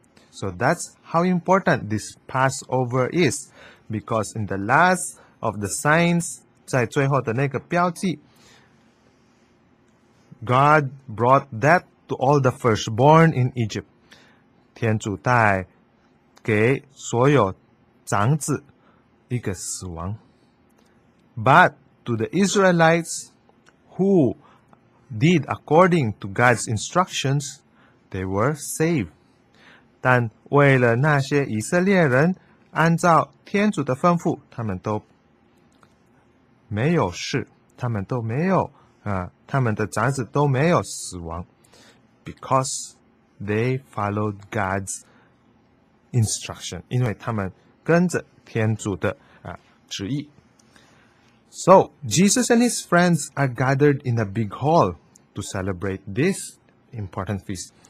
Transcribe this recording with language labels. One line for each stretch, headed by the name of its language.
English: So that's how important this Passover is, because in the last of the signs,
Chinese: 在最后的那个标记
English: God brought death to all the firstborn in Egypt.
Chinese: 天主带给所有长子一个死亡。
English: But to the Israelites who did according to God's instructions,They were saved.
Chinese: 但为了那些以色列人按照天主的吩咐他们都没有事他们都没有、他们的长子都没有死亡
English: Because they followed God's instruction.
Chinese: 因为他们跟着天主的、旨意。
English: So, Jesus and his friends are gathered in a big hall to celebrate this important feast.